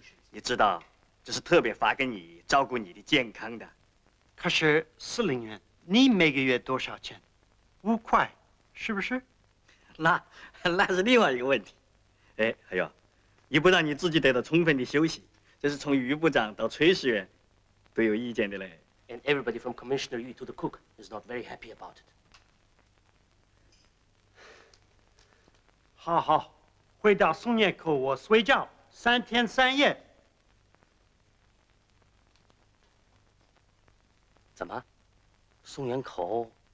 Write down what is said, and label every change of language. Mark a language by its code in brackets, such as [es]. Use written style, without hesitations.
[zh] 你知道，这是特别发给你照顾你的健康的。可是司令员，你每个月多少钱？ 5块，是不是？那是另外一个问题。哎，还有，你不让你自己得到充分的休息，这是从余部长到炊事员都有意见的嘞。 [en] And everybody from Commissioner Yu to the cook is not very happy about it. [zh] 好好，回到松叶口我睡觉三天三夜。怎么，松岩口